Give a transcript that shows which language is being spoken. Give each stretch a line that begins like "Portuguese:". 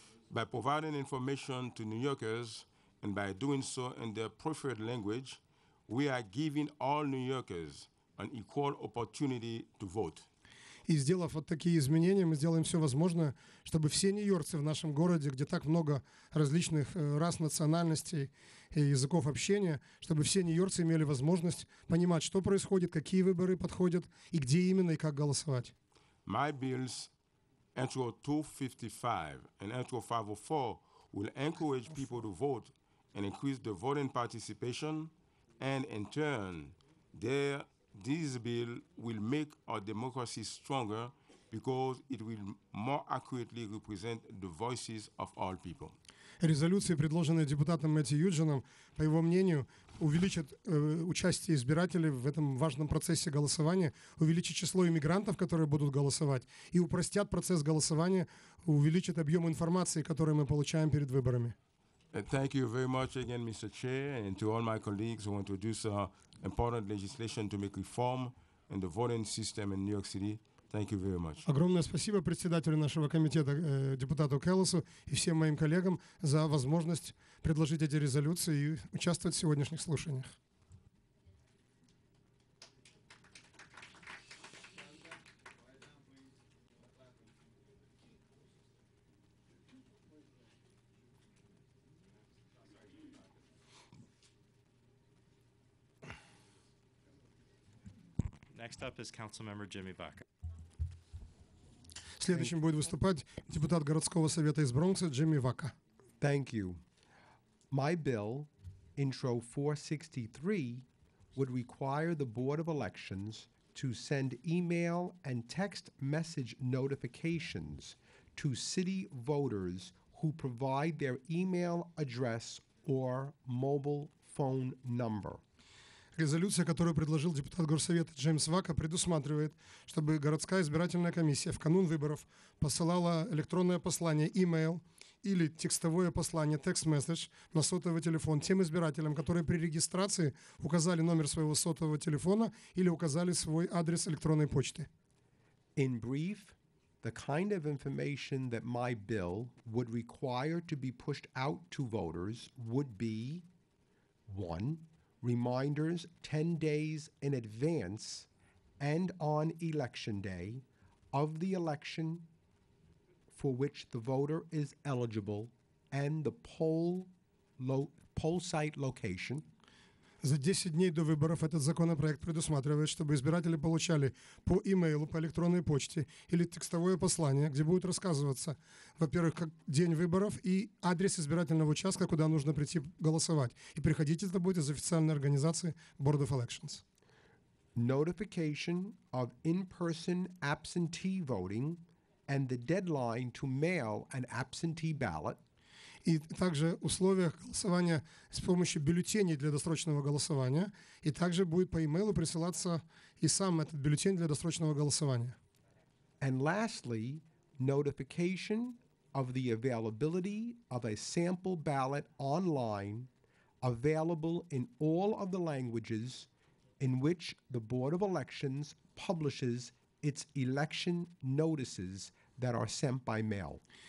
English: By providing information to New Yorkers and by doing so in their preferred language, we are giving all New Yorkers an equal opportunity to vote.
Russian: И сделав вот такие изменения, мы сделаем все возможное, чтобы все нью-йоркцы в нашем городе, где так много различных рас, национальностей и языков общения, чтобы все нью-йоркцы имели возможность понимать, что происходит, какие выборы подходят, и где именно, и как голосовать.
English: My bills, H.O. 255 and H.O. 504 will encourage people to vote and increase the voting participation, and in turn, their This bill will make our democracy stronger because it will more accurately represent the voices of all people.
Russian: Резолюции, предложенные депутатом Мэтью Юджином, по его мнению, увеличат участие избирателей в этом важном процессе голосования, увеличат число иммигрантов, которые будут голосовать, и упростят процесс голосования, увеличат объем информации, которую мы получаем перед выборами.
English: Thank you very much again, Mr. Chair, and to all my colleagues who introduce important legislation to make reform in the voting system in New York City. Thank you very much.
Russian: Огромное спасибо председателю нашего комитета, депутату Келлосу, и всем моим коллегам за возможность предложить эти резолюции и участвовать в сегодняшних слушаниях.
English: Next up is Councilmember Jimmy Baca.
Russian: Следующим будет выступать депутат городского совета из Бронкса Джимми Вака.
English: Thank you. My bill, Intro 463, would require the Board of Elections to send email and text message notifications to city voters who provide their email address or mobile phone number.
Russian: Резолюция, которую предложил депутат Горсовета Джеймс Вака, предусматривает, чтобы городская избирательная комиссия в канун выборов посылала электронное послание, email или текстовое послание,
English: text message,
Russian: на сотовый телефон тем избирателям, которые при регистрации указали номер своего сотового телефона или указали свой адрес электронной почты.
English: In brief, the kind of information that my bill would require to be pushed out to voters would be one. Reminders 10 days in advance and on election day of the election for which the voter is eligible and the poll site location.
Russian: За 10 дней до выборов этот законопроект предусматривает, чтобы избиратели получали по имейлу, по электронной почте или текстовое послание, где будет рассказываться, во-первых, как день выборов и адрес избирательного участка, куда нужно прийти голосовать. И приходить это будет из официальной организации Board of Elections.
English: Notification of in-person absentee voting and the deadline to mail an absentee ballot.
Russian: И также условия голосования с помощью бюллетеней для досрочного голосования. И также будет по имейлу присылаться и сам этот бюллетень для досрочного голосования.
English: And lastly, notification of the availability of a sample ballot online available in all of the languages in which the Board of Elections publishes its election notices that are sent by mail.